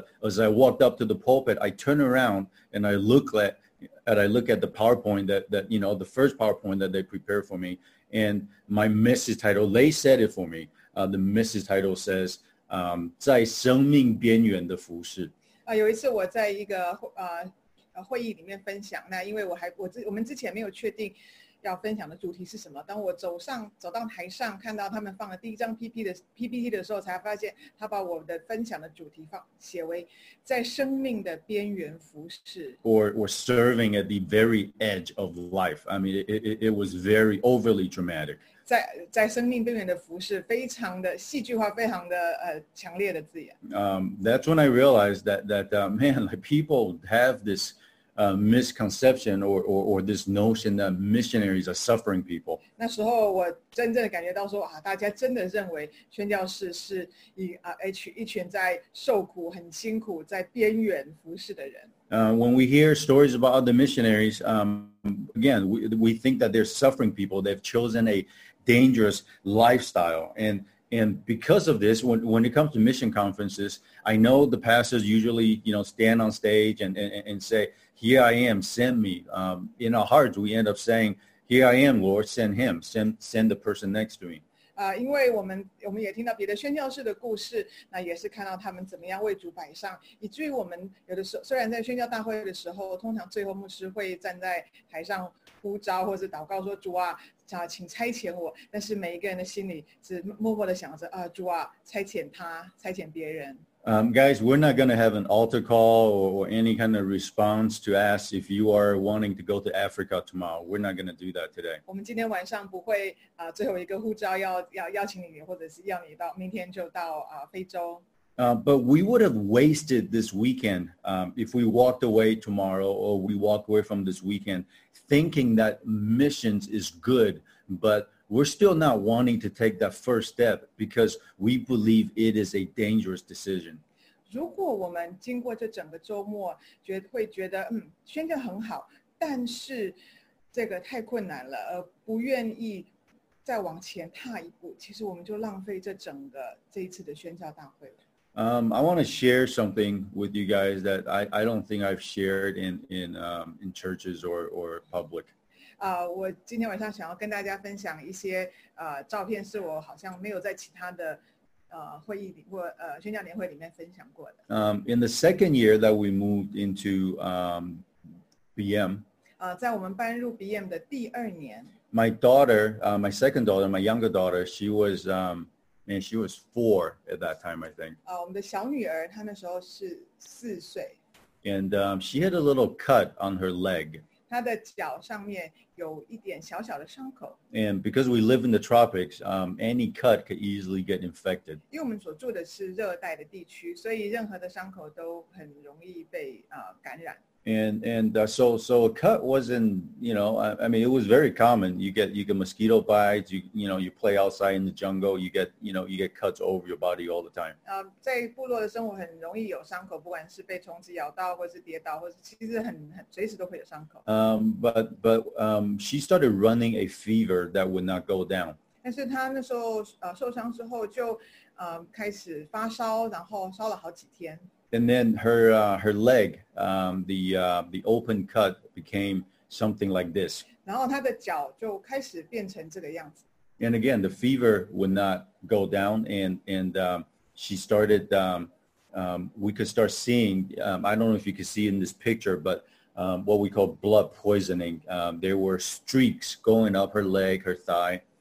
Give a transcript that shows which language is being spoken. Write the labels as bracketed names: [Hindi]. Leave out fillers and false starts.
[English] But as I walked up to the pulpit, I turn around and I look at the PowerPoint that the first PowerPoint that they prepared for me, and my message title, they said it for me. The message title says, [Chinese] 在生命边缘的服事。有一次我在一个会议里面分享，那因为我们之前没有确定要分享的主题是什么，当我走到台上看到他们放了第一张 PPT 的时候，才发现他把我的分享的主题写为在生命的边缘服事， [English] or serving at the very edge of life. I mean, it was very overly dramatic. [Chinese] 在生命边缘的服事，非常的戏剧化，非常的强烈的字眼。 [English] That's when I realized that people have thismisconception or this notion that missionaries are suffering people. [Chinese] 那时候我真正感觉到说，大家真的认为宣教士是一群在受苦、很辛苦、在边缘服事的人。 [English] When we hear stories about other missionaries, we think that they're suffering people. They've chosen a dangerous lifestyle. And because of this, when it comes to mission conferences, I know the pastors usually, stand on stage and say, here I am, send me. In our hearts, we end up saying, here I am, Lord, send him. Send the person next to me. [Chinese] 因为我们也听到别的宣教士的故事，那也是看到他们怎么样为主摆上，以至于我们有的时候，虽然在宣教大会的时候，通常最后牧师会站在台上呼召或是祷告说，主啊，啊，请差遣我。但是每一个人的心里是默默的想着啊，主啊，差遣他，差遣别人。 [English] Guys, we're not going to have an altar call or any kind of response to ask if you are wanting to go to Africa tomorrow. We're not going to do that today. [Chinese] 我们今天晚上不会啊，最后一个呼召要邀请你，或者是要你到明天就到啊非洲。 [English] But we would have wasted this weekend if we walked away tomorrow or we walked away from this weekend thinking that missions is good, but we're still not wanting to take that first step because we believe it is a dangerous decision. [Chinese] 如果我们经过这整个周末会觉得宣教很好，但是这个太困难了，而不愿意再往前踏一步，其实我们就浪费这整个这一次的宣教大会了。 [English] I want to share something with you guys that I don't think I've shared in churches or public. [Chinese] 我今天晚上想要跟大家分享一些照片，是我好像没有在其他的会议里或宣教联会里面分享过的。 [English] In the second year that we moved into BM. [Chinese] 在我们搬入 BM 的第二年。 [English] My daughter, my second daughter, my younger daughter, she was Man, she was 4 at that time, I think. [Chinese] 我们的小女儿她那时候是四岁。 [English] And she had a little cut on her leg. [Chinese] 她的脚上面有一点小小的伤口。 [English] And because we live in the tropics, any cut could easily get infected. [Chinese] 因为我们所住的是热带的地区，所以任何的伤口都很容易被感染。 [English] And so a cut wasn't, you know, I mean, it was very common. You get mosquito bites, you know, you play outside in the jungle, you get cuts over your body all the time. [Chinese] 在部落的生活很容易有伤口，不管是被虫子咬到或是跌倒，或是其实很随时都会有伤口。 [English] But she started running a fever that would not go down. [Chinese] 但是她那时候受伤之后就开始发烧，然后烧了好几天。 [English] And then her leg, the open cut became something like this. [Chinese] 然后她的脚就开始变成这个样子。 [English] And again, the fever would not go down, and she started. We could start seeing. I don't know if you can see in this picture, but what we call blood poisoning. There were streaks going up her leg, her thigh.